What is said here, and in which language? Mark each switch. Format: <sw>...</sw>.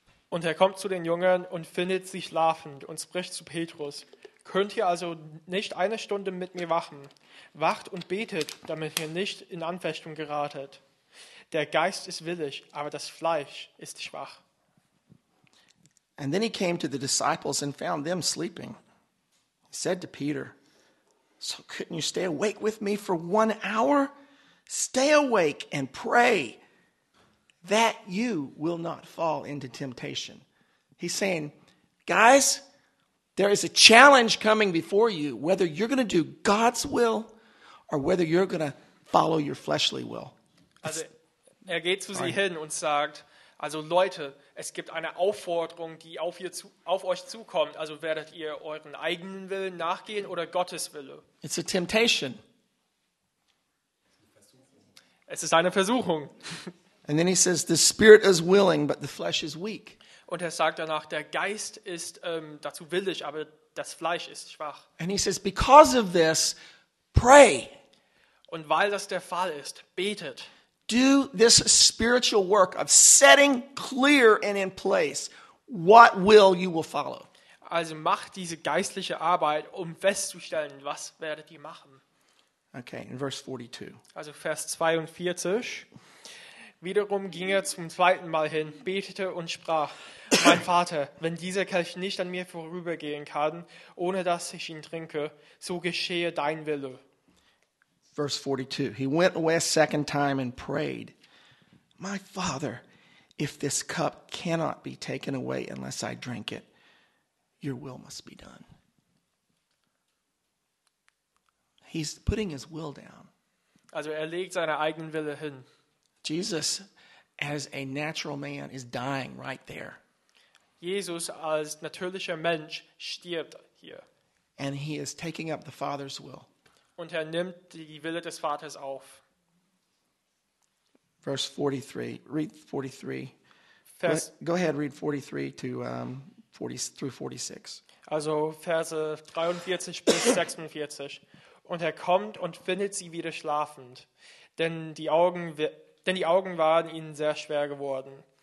<de>Und er kommt zu den Jüngern und findet sie schlafend und spricht zu Petrus: Könnt ihr also nicht eine Stunde mit mir wachen? Wacht und betet, damit ihr nicht in Anfechtung geratet. Der Geist ist willig, aber das Fleisch ist schwach.</de> <en>And then he came to the disciples and found them sleeping. He said to Peter, So couldn't you stay awake with me for 1 hour? Stay awake and pray that you will not fall into temptation. He's saying, guys, there is a challenge coming before you, whether you're going to do God's will or whether you're going to follow your fleshly will.</en> <de>Also, geht zu sie hin und sagt, also Leute, es gibt eine Aufforderung, die auf euch zukommt. Also werdet ihr euren eigenen Willen nachgehen oder Gottes Wille?</de> <en>It's a temptation.</en> <de>Es ist eine Versuchung.</de> <en>And then he says, the spirit is willing, but the flesh is weak.</en> <de>Und er sagt danach, der Geist ist dazu willig, aber das Fleisch ist schwach.</de> <en>And he says, because of this, pray.</en> <de>Und weil das der Fall ist, betet.</de> <en>Do this spiritual work of setting clear and in place what will you will follow.</en> <de>Also macht diese geistliche Arbeit, um festzustellen, was werdet ihr machen.</de> <en>Okay, in verse 42.</en> <de>Also Vers 42. Wiederum ging er zum zweiten Mal hin, betete und sprach: Mein Vater, wenn dieser Kelch nicht an mir vorübergehen kann, ohne dass ich ihn trinke, so geschehe dein Wille.</de> <en>Verse 42, he went away a second time and prayed, My Father, if this cup cannot be taken away unless I drink it, your will must be done. He's putting his will down.</en> <de>Also legt seine eigenen Wille hin.</de> <en>Jesus, as a natural man, is dying right there.</en> <de>Jesus als natürlicher Mensch stirbt hier.</de> <en>And he is taking up the Father's will.</en> <de>Und er nimmt die Wille des Vaters auf.</de> <en>Verse 43. Read 43. Go ahead, read 43 to 40 through 46.</en> <de>Also Verse 43 bis 46. Und er kommt und findet sie wieder schlafend, denn die Augen waren ihnen sehr schwer geworden.</de>